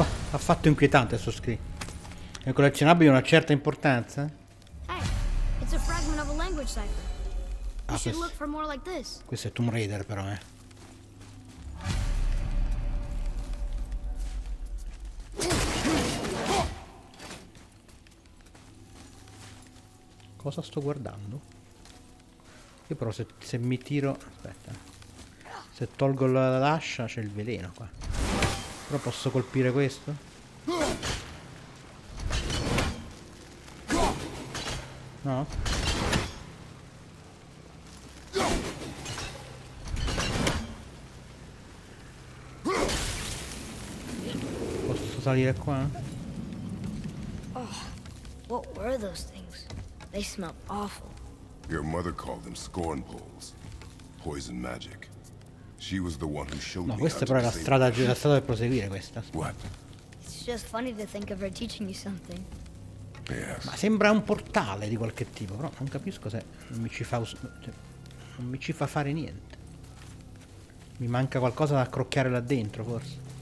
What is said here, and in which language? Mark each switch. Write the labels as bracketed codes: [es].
[it] Affatto inquietante il suo screen. È collezionabile di una certa importanza. [en] Hey, it's a fragment of a language cipher. You should look for more like this. [it] Questo è Tomb Raider però, eh. Cosa sto guardando? Io però se mi tiro. Aspetta. Se tolgo l'ascia c'è il veleno qua. Però posso colpire questo? No? Posso salire qua? [en] Oh, what were those things? They smell awful. Your mother called them scorn poles. Poison magic. She was the one who showed me. [it] No, questa però è la strada giusta, la strada per proseguire questa. [en] What? It's just funny to think of her teaching you something. Yes. [it] Ma sembra un portale di qualche tipo, però non capisco se non mi ci fa non mi ci fa fare niente. Mi manca qualcosa da accrocchiare là dentro, forse.